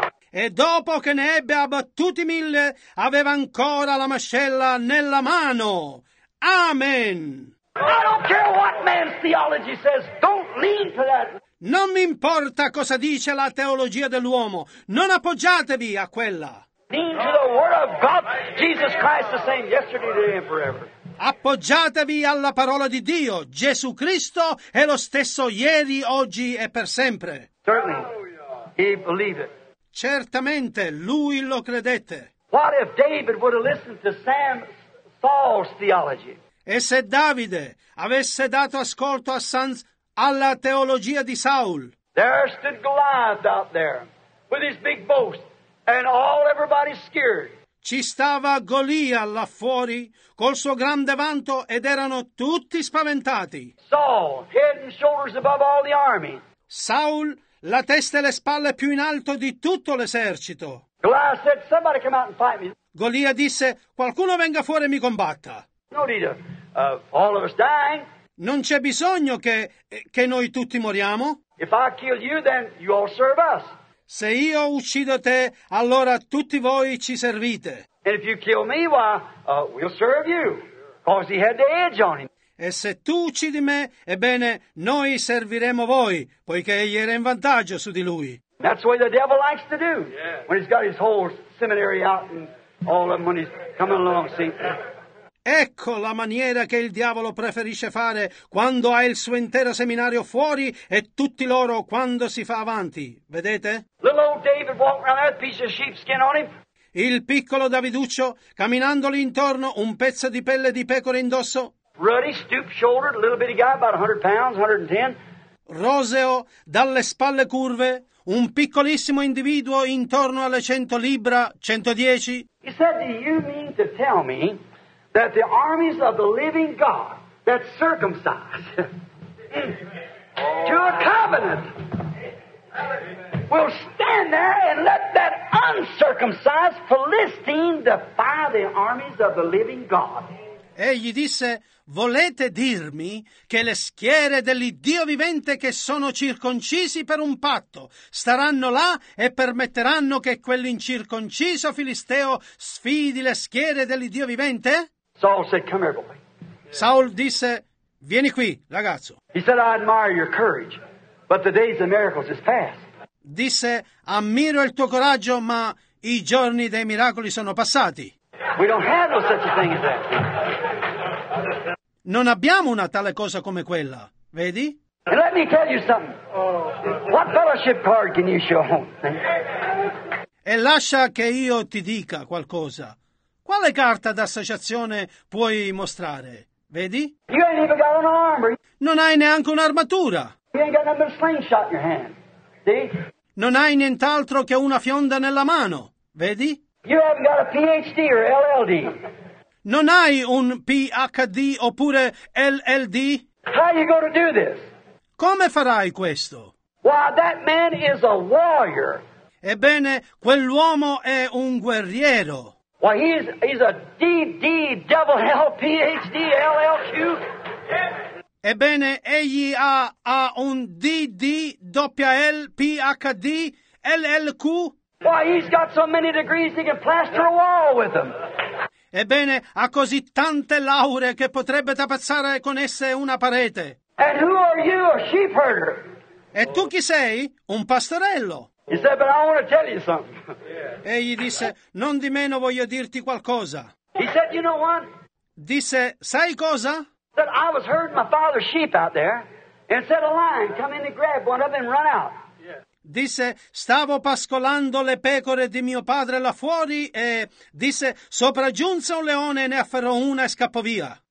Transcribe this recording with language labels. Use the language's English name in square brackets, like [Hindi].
[Italian] E dopo che ne ebbe abbattuti 1000, aveva ancora la mascella nella mano. Amen. [English] I don't care what man's theology says, don't lean to that. [Italian] Non mi importa cosa dice la teologia dell'uomo, non appoggiatevi a quella. [English] Lean to the word of God, Jesus Christ the same yesterday, today and forever. [Italian] Appoggiatevi alla parola di Dio, Gesù Cristo è lo stesso ieri, oggi e per sempre. [English] Certainly, he believed it. [Italian] Certamente, lui lo credette. [English] What if David would have listened to Saul's theology? [Italian] E se Davide avesse dato ascolto a Sans alla teologia di Saul? [English] There stood Goliath out there with his big boast, and all everybody scared. [Italian] Ci stava Golia là fuori col suo grande vanto ed erano tutti spaventati. [English] Saul, head and shoulders above all the army. [Italian] Saul, la testa e le spalle più in alto di tutto l'esercito. [English] Goliath said, somebody come out and fight me. [Italian] Golia disse, qualcuno venga fuori e mi combatta. [English] No need to, all of us dying. [Italian] Non c'è bisogno che noi tutti moriamo. [English] If I kill you, then you all serve us. [Italian] Se io uccido te, allora tutti voi ci servite. [English] And if you kill me, why, we'll serve you. Because he had the edge on him. [Italian] E se tu uccidi me, ebbene, noi serviremo voi, poiché egli era in vantaggio su di lui. [English] That's what the devil likes to do. When he's got his whole seminary out and all of them when he's coming along, see. [Italian] Ecco la maniera che il diavolo preferisce fare quando ha il suo intero seminario fuori e tutti loro quando si fa avanti. Vedete? [English] Little old David walking around there with a piece of sheepskin on him. [Italian] Il piccolo Daviduccio, camminandoli intorno, un pezzo di pelle di pecore indosso. [English] Ruddy, stoop-shouldered, little bitty guy, about 100 pounds, 110. [Italian] Roseo, dalle spalle curve, un piccolissimo individuo intorno alle 100 libbra, 110. [English] He said, do you mean to tell me that the armies of the living God that circumcised to a covenant will stand there and let that uncircumcised Philistine defy the armies of the living God. [Italian] Egli disse, volete dirmi che le schiere dell'Iddio vivente che sono circoncisi per un patto staranno là e permetteranno che quell'incirconciso filisteo sfidi le schiere dell'Iddio vivente? [English] Saul said, come here, boy. [Italian] Saul disse, vieni qui, ragazzo. [English] He said, I admire your courage, but the days of miracles is past. [Italian] Disse, ammiro il tuo coraggio, ma i giorni dei miracoli sono passati. [English] We don't have no such a thing as that. [Italian] Non abbiamo una tale cosa come quella, vedi? [English] And let me tell you something. What fellowship card can you show? [Italian] E lascia che io ti dica qualcosa. Quale carta d'associazione puoi mostrare? Vedi? [English] You ain't even got an armor. [Italian] Non hai neanche un'armatura. [English] You ain't got nothing but a slingshot in your hand. See? [Italian] Non hai nient'altro che una fionda nella mano. Vedi? [English] You haven't got a PhD or LLD. [Italian] Non hai un PhD oppure LLD? [English] How you gonna do this? [Italian] Come farai questo? [English] Why, that man is a warrior. [Italian] Ebbene, quell'uomo è un guerriero. [English] Why, he's a DD, double L, PhD, LLQ. [Italian] Ebbene, egli ha un DD, doppia L, PhD, LLQ. [English] Why, he's got so many degrees he can plaster a wall with them. [Italian] Ebbene, ha così tante lauree che potrebbe tappezzare con esse una parete. [English] And who are you, a sheep herder? [Italian] E tu chi sei? Un pastorello. [English] He said, but I want to tell you something. [Italian] E gli disse, non di meno voglio dirti qualcosa. [English] He said, you know what? [Italian] Disse, sai cosa? [English] That I was herding my father's sheep out there, and said a lion come in to grab one of them and run out. [Italian] Disse, stavo pascolando le pecore di mio padre là fuori, e disse, sopraggiunse un leone e ne afferrò una e scappò via.